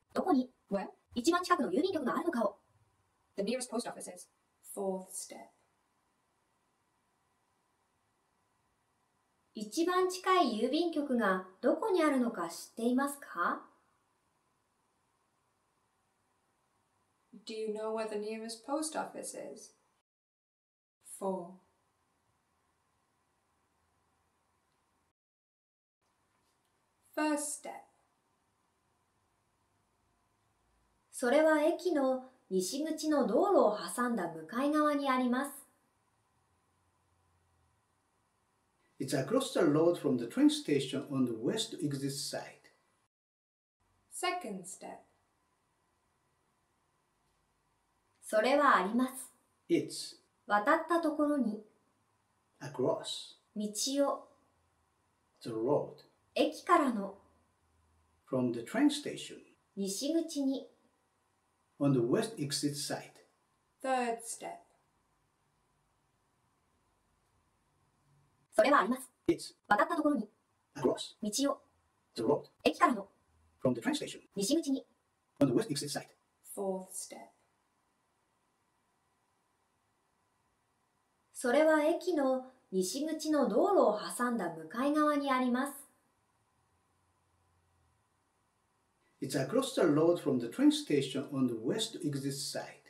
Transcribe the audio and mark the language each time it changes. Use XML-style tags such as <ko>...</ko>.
<ja>どこに</ja> <en>Where?</en> <ja>一番近くの郵便局があるのかを</ja> <en>The nearest post office is Fourth step</en> <ja>一番近い郵便局がどこにあるのか知っていますか?</ja> <en>Do you know where the nearest post office is? 4. First step.</en> <ja>それは駅の西口の道路を挟んだ向かい側にあります。</ja> <en>It's across the road from the train station on the west exit side. Second step.</en> <ja>それはあります。</ja> <en>It's</en> <ja>渡ったところに</ja> <en>Across</en> <ja>道を</ja> <en>The road</en> <ja>駅からの</ja> <en>From the train station</en> <ja>西口に</ja> <en>On the west exit side. Third step.</en> <ja>それはあります。</ja> <en>It's</en> <ja>渡ったところに</ja> <en>Across</en> <ja>道を</ja> <en>The road</en> <ja>駅からの</ja> <en>From the train station</en> <ja>西口に</ja> <en>On the west exit side Fourth step</en> <ja>それは駅の西口の道路を挟んだ向かい側にあります。</ja> <en>It's across the road from the train station on the west exit side.</en>